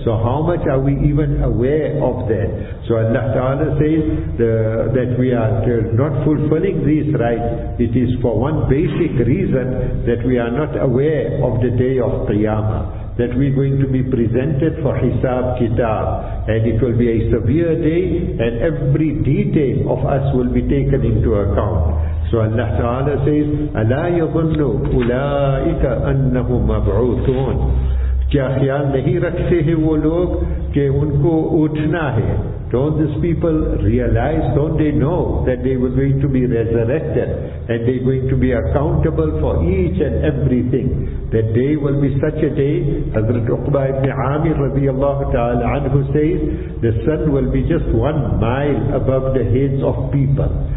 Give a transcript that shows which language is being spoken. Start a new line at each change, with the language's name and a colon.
English: So how much are we even aware of that? So Allah Ta'ala says that we are not fulfilling these rights. It is for one basic reason, that we are not aware of the day of Qiyamah, that we are going to be presented for Hisab Kitab, and it will be a severe day, and every detail of us will be taken into account. So Allah Ta'ala says,
Arabic: أَلَا يَظُنُّ أُولَٰئِكَ أَنَّهُمْ مَبْعُوثُونَ.
Hindi: Kya khyaal nahi rakhte hai wo log ke unko uthna hai.
English: Don't these people realize, don't they know that they were going to be resurrected and they're going to be accountable for each and everything. That day will be such a day. Hazrat Uqba ibn Amir radiallahu ta'ala anhu says, the sun will be just 1 mile above the heads of people.